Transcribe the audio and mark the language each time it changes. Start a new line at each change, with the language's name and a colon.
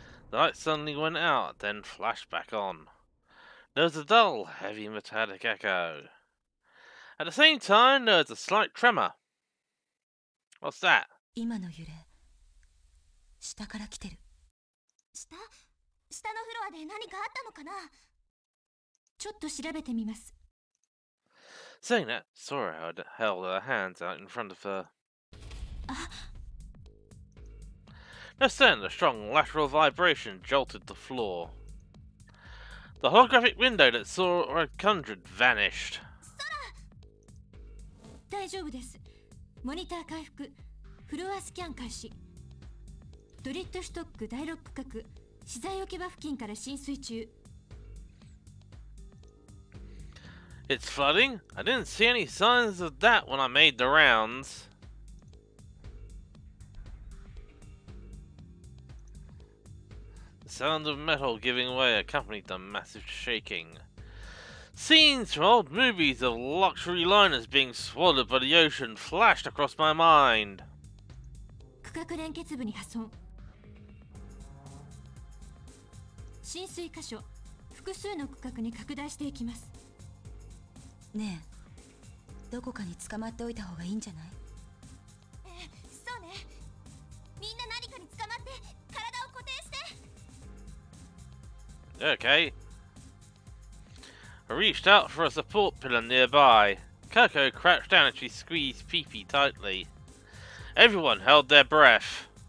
English: The light suddenly went out, then flashed back on. There was a dull, heavy metallic echo. At the same time, there was a slight tremor. What's that?
Japanese: 今の揺れ、下から来てる。下？下のフロアで何かあったのかな？ちょっと調べてみます。
English: Saying that, Sora held her hands out in front of her. Just then, a strong lateral vibration jolted the floor. The holographic window that Sora had conjured vanished.
Japanese: Sora! 大丈夫です。モニター回復、フロアスキャン開始。ドリッドストック第六区画、資材置き場付近から浸水中。
English: It's flooding? I didn't see any signs of that when I made the rounds. The sound of metal giving way accompanied the massive shaking. Scenes from old movies of luxury liners being swallowed by the ocean flashed across my mind.
Japanese: 区画連結部に破損。浸水箇所、複数の区画に拡大していきます。ねえ、どこかに捕まっておいた方がいいんじゃない？そうね。みんな何かに捕まって、体を固定して。
English: Okay. I reached out for a support pillar nearby. Coco crouched down and she squeezed Pee-Pee tightly. Everyone held their breath.